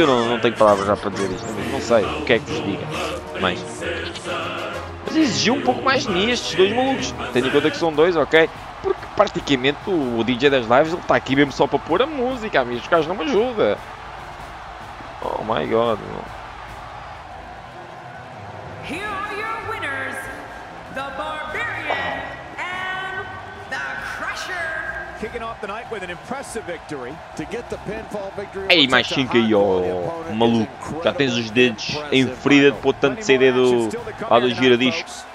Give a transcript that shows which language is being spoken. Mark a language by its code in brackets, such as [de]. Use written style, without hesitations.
[pt] Eu não tenho palavras já para dizer isto, amigos. Não sei o que é que vos diga. Mas exigiu um pouco mais de mim estes dois malucos. Tenho em conta que são dois, ok? Porque praticamente o DJ das lives está aqui mesmo só para pôr a música, amigos. Os caras não me ajudam. [en] Oh my god. Here are your winners, the Barbarian and the Crusher. Kicking off the night with an impressive victory to get the pinfall victory. [pt] Ei, mais 5 aí, oh maluco. Já tens os dedos em ferida de pôr tanto CD do lado do giradiscos.